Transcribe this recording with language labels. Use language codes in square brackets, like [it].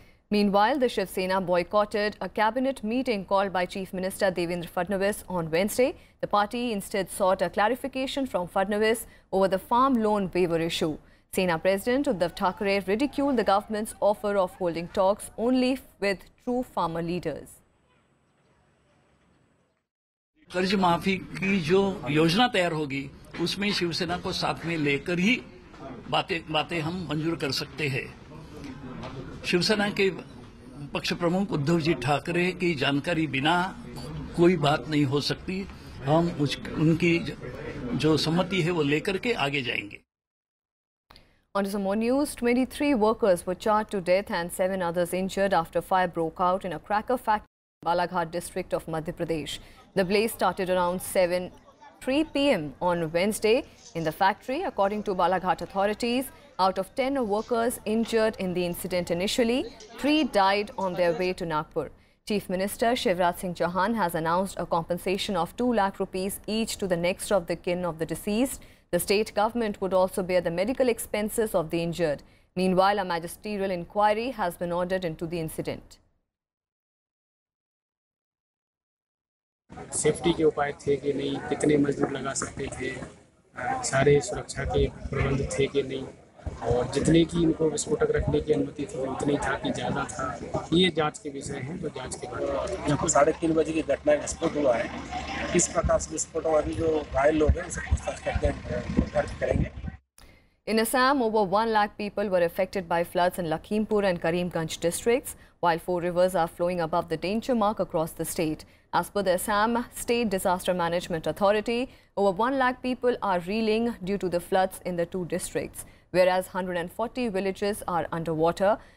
[en] Meanwhile, the Shiv Sena boycotted a cabinet meeting called by Chief Minister Devendra Fadnavis on Wednesday. The party instead sought a clarification from Fadnavis over the farm loan waiver issue. Sena President Uddhav Thackeray ridiculed the government's offer of holding talks only with true farmer leaders. [hi] कर्ज माफी की जो योजना तैयार होगी उसमें शिवसेना को साथ में लेकर ही बातें हम मंजूर कर सकते हैं। शिवसेना के पक्ष प्रमुख उद्धव जी ठाकरे की जानकारी बिना कोई बात नहीं हो सकती। हम उनकी जो सम्मति है वो लेकर के आगे जाएंगे। [en] On some more news, 23 workers were charged to death and 7 others injured after fire broke out in a cracker factory in Balaghat district of Madhya Pradesh. The blaze started around 7:03 p.m. on Wednesday in the factory. According to Balaghat authorities, out of 10 workers injured in the incident initially, 3 died on their way to Nagpur. Chief Minister Shivraj Singh Chauhan has announced a compensation of 2 lakh rupees each to the next of the kin of the deceased. The state government would also bear the medical expenses of the injured. Meanwhile, a magisterial inquiry has been ordered into the incident. [hi] Safety के उपाय थे कि नहीं, कितने मजदूर लगा सकते थे, सारे सुरक्षा के प्रबंध थे कि नहीं, और जितने की इनको विस्फोटक रखने की अनुमति थी उतने था कि ज़्यादा था, ये जांच के विषय हैं। तो जांच के बाद जब 3:30 बजे की घटना विस्फोट हुआ है, किस प्रकार से विस्फोट हुआ, जो घायल लोग हैं उनसे पूछताछ करके दर्ज करेंगे। [en] In Assam, over 1 lakh people were affected by floods in Lakhimpur and Karimganj districts, while 4 rivers are flowing above the danger mark across the state. As per the Assam State Disaster Management Authority, over 1 lakh people are reeling due to the floods in the 2 districts, whereas 140 villages are underwater.